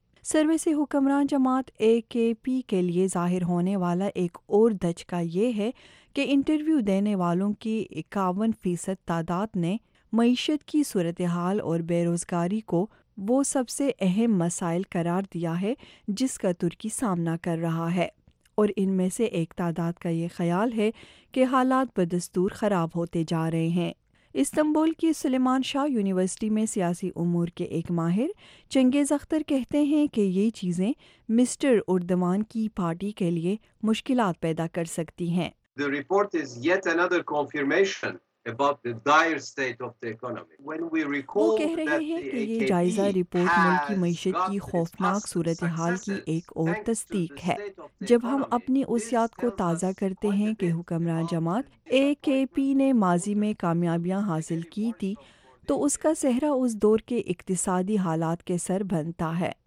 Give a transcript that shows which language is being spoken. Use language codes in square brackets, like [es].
[ur] Survey سے حکمران جماعت اے کے پی کے لیے ظاہر ہونے والا ایک اور دھچکا یہ ہے کہ انٹرویو دینے والوں کی 51% تعداد نے معیشت کی صورتحال اور بے روزگاری کو وہ سب سے اہم مسائل قرار دیا ہے جس کا ترکی سامنا کر رہا ہے، اور ان میں سے ایک تعداد کا یہ خیال ہے کہ حالات بدستور خراب ہوتے جا رہے ہیں. استنبول کی سلیمان شاہ یونیورسٹی میں سیاسی امور کے ایک ماہر چنگیز اختر کہتے ہیں کہ یہ چیزیں مسٹر اردوان کی پارٹی کے لیے مشکلات پیدا کر سکتی ہیں. [en] The report is yet another confirmation about the dire state of the economy. When we recall that the AKP [ur] یہ جائزہ رپورٹ ملک کی معیشت کی خوفناک صورتحال کی ایک اور تصدیق ہے. جب ہم اپنی اوصیات کو تازہ کرتے ہیں کہ حکمران جماعت اے کے پی نے ماضی میں کامیابیاں حاصل کی تھی، تو اس کا سہرا اس دور کے اقتصادی حالات کے سر بنتا ہے.